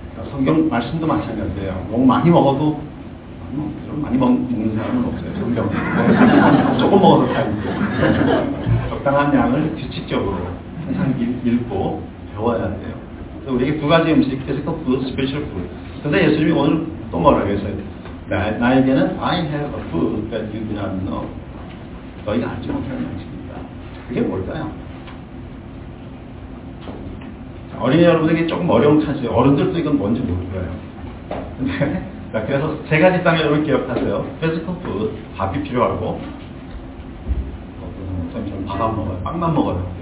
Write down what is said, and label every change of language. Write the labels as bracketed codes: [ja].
[ko] 성경 말씀도 마찬가지예요. 너무 많이 먹어도 많이 먹는 사람은 없어요. 성경 조금 먹어도 살고 적당한 양을 규칙적으로 항상 읽고 배워야 돼요. 그래서 우리에게 두 가지 음식, [en] physical food, spiritual food. [ko] 근데 예수님이 오늘 또 뭐라고 했어요? 나에게는 [en] I have a food that you do not know. [ko] 너희가 알지 못하는 양식입니다. 그게 뭘까요? 어린이 여러분에게 조금 어려운 차지, 어른들도 이건 뭔지 모르고요. 근데, 그래서 세 가지 땅을 여러분 기억하세요. [en] physical food, [ko] 밥이 필요하고, 어떤 밥만 먹어요. 빵만 먹어요.